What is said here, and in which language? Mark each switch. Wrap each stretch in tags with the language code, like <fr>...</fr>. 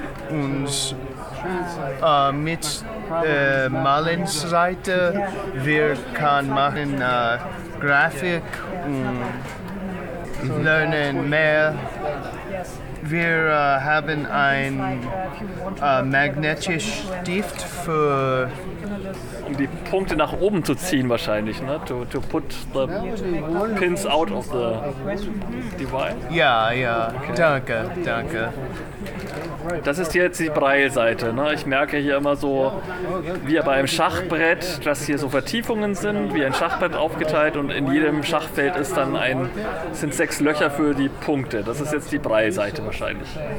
<de>Und mit Malens Seite wir kann machen Grafik und lernen mehr. Wir haben ein magnetisches Stift für die Punkte nach oben zu ziehen wahrscheinlich, ne?</de> <en>To put the pins out of the device.</en> <de>Ja, ja. Okay. Danke, danke. Das ist jetzt die Braille-Seite. Ne? Ich merke hier immer so, wie bei einem Schachbrett, dass hier so Vertiefungen sind, wie ein Schachbrett aufgeteilt und in jedem Schachfeld ist dann sind 6 Löcher für die Punkte. Das ist jetzt die Braille-Seite wahrscheinlich.</de>